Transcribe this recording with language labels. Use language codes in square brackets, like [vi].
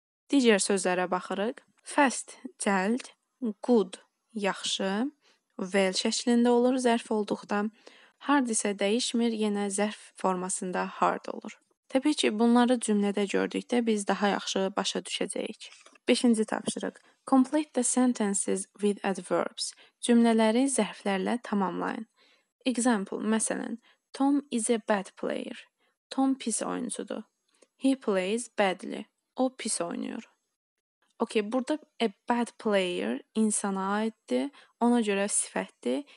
[az] Digər sözlərə baxırıq. Fast, cəld, good, yaxşı, well şəklində olur zərf olduqda, hard isə dəyişmir, yenə zərf formasında hard olur. Təbii ki, bunları cümlədə gördükdə biz daha yaxşı başa düşəcəyik. 5-ci tapşırıq. [en] Complete the sentences with adverbs. [az] Cümlələri zərflərlə tamamlayın. [en] Example, [az] məsələn, [en] Tom is a bad player. [az] Tom pis oyuncudur. [en] He plays badly. [az] O pis oynuyor. Okay, burada [en] a bad player [az] insana aiddir, ona görə sifətdir.